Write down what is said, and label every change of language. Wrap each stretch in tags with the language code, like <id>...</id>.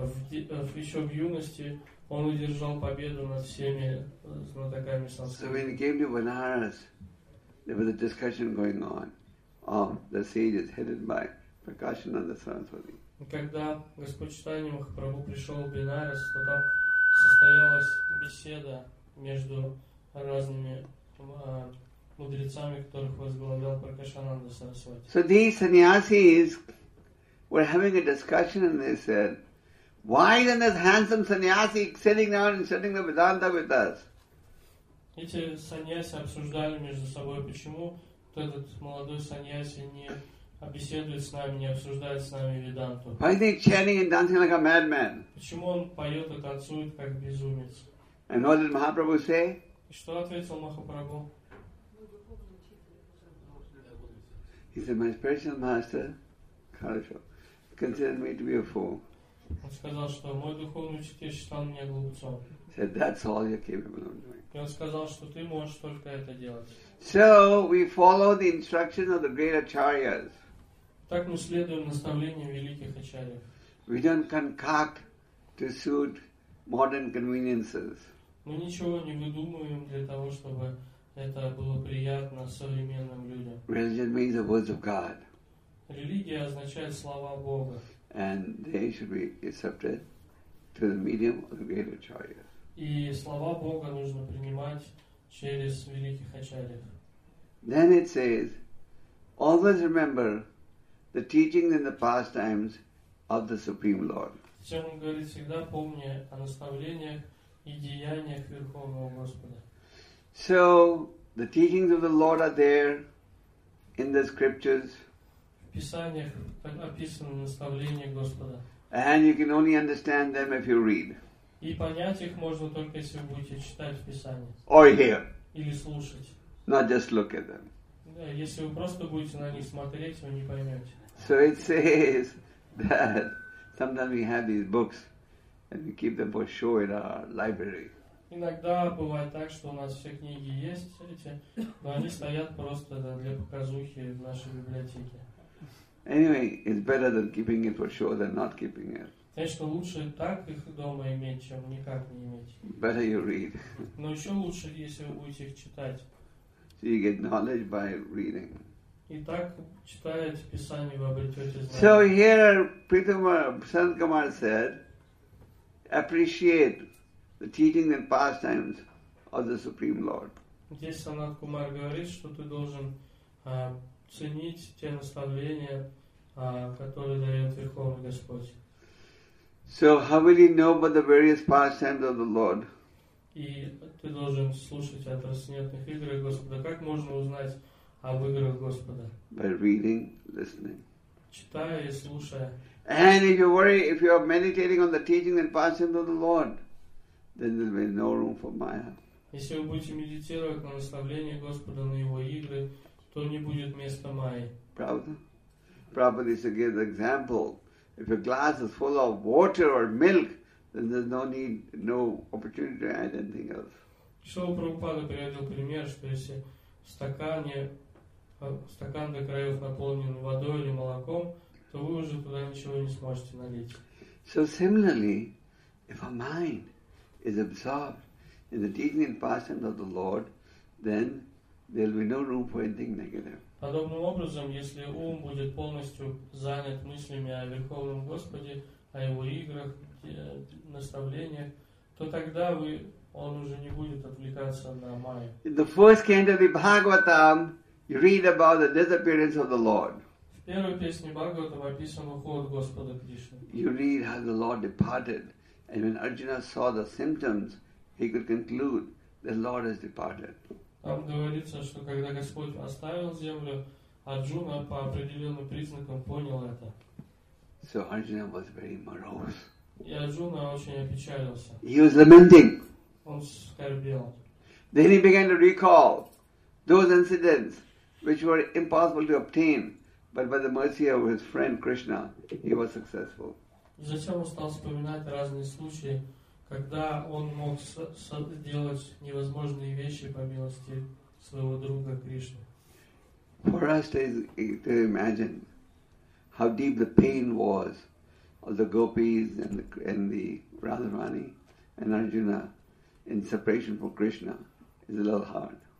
<ru>Еще в юности он одержал победу над всеми знатоками санскрита.</ru> <en>So when he came to Banaras, there was a discussion going on of the sages headed by Prakashananda Saraswati.</en> <ru>Когда Господь Чайтанья Махапрабху пришел в Бенарес, то там состоялась беседа между разными мудрецами, которых возглавлял Пракашананда Сарасвати.</ru> <en>So these sannyasis were having a discussion and they said, why isn't this handsome sannyasi sitting down and studying the Vedanta with us?</en> <ru>Эти саньяси обсуждали между собой, почему этот молодой саньяси не беседует с нами, не обсуждает с нами веданту.</ru> <en>Why is he chanting and dancing like a madman?</en> <ru>Почему он поет и танцует как безумец?</ru> <en>And what did Mahaprabhu say?</en> <ru>И что ответил Махапрабху?</ru> <en>He said, "My spiritual master, Kalisho, considered me to be a fool."</en> <ru>Он сказал, что мой духовный учитель считал меня глупцом.</ru> <en>Said, "That's all you're capable of doing."</en> <ru>И он сказал, что ты можешь только это делать.</ru> <en>So we follow the instruction of the great acharyas.</en> <ru>Так мы следуем наставлениям великих ачарьев.</ru> <en>We don't concoct to suit modern conveniences.</en> <ru>Мы ничего не выдумываем для того, чтобы это было приятно современным людям.</ru> <en>Religion means the words of God.</en> <ru>Религия означает слова Бога.</ru> <en>And they should be accepted through the medium of the great acharyas.</en> <ru>И слова Бога нужно принимать через великих ачарьев.</ru> <en>Then it says, always remember the teachings in the past times of the Supreme Lord.</en> <ru>Затем он говорит, всегда помни о наставлениях и деяниях Верховного Господа.</ru> <en>So the teachings of the Lord are there in the scriptures.</en> <ru>В писаниях описаны наставления Господа.</ru> <en>And you can only understand them if you read.</en> <ru>И понять их можно только если вы будете читать в Писании.</ru> <en>Or hear.</en> <ru>Или слушать.</ru> <en>Not just look at them.</en> <ru>Если вы просто будете на них смотреть, вы не поймете.</ru> <en>So it says that sometimes we have these books and we keep them for show in our library.</en> <ru>Иногда бывает так, что у нас все книги есть, эти, но они стоят просто для показухи в нашей библиотеке.</ru> <en>Anyway, it's better than keeping it for show than not keeping it.</en> <ru>Конечно, лучше так их дома иметь, чем никак не иметь.</ru> <en>Better you read.</en> <ru>Но еще лучше, если вы будете их читать.</ru> <en>So you get knowledge by reading.</en> <ru>И так, читая эти писания, вы обретете знания.</ru> <en>So here, Prithamar, Kumar said, appreciate the teaching and pastimes of the Supreme Lord.</en> <ru>Здесь Санат Кумар говорит, что ты должен ценить те наставления, которые дает Верховный Господь.</ru> <en>So how will you know about the various pastimes of the Lord?</en> <ru>И ты должен слушать о трансцендентных играх Господа. Как можно узнать об играх Господа?</ru> <en>By reading, listening.</en> <ru>Читая и слушая.</ru> <en>And if you worry, if you are meditating on the teaching and pastimes of the Lord, then there will be no room for Maya.</en> <ru>Если вы будете медитировать на наставление Господа, на его игры, то не будет места Майи. Правда?</ru> <en>Prabhupada used to give the example. If a glass is full of water or milk, then there's no need, no opportunity to add anything else.</en> <ru>Шрила Прабхупада приводил пример, что если стакан до краев наполнен водой или молоком, то вы уже туда ничего не сможете налить.</ru> <en>So similarly, if our mind is absorbed in the teaching and pastimes of the Lord, then there will be no room for anything negative.</en> <ru>Подобным образом, если ум будет полностью занят мыслями о Верховном Господе, о его играх, наставлениях, то тогда он уже не будет отвлекаться на майю.</ru> <en>In the first canto of the Bhagavatam, you read about the disappearance of the Lord.</en> <ru>В первой песне Бхагаватам описан уход Господа Кришны.</ru> <en>You read how the Lord departed, and when Arjuna saw the symptoms, he could conclude the Lord has departed.</en> <ru>Там говорится, что когда Господь оставил землю, Арджуна по определенным признакам понял это.</ru> <en>So Arjuna was very morose.</en> <ru>И Арджуна очень опечалился.</ru> <en>He was lamenting.</en> <ru>Он скорбел.</ru> <en>Then he began to recall those incidents which were impossible to obtain, but by the mercy of his friend Krishna, he was successful.</en> <ru>Затем он стал вспоминать разные случаи, когда он мог сделать невозможные вещи по милости своего друга Кришны.</ru> <en>For us to imagine how deep the pain was of the gopis and the Radharani and Arjuna in separation from Krishna is a little hard.</en>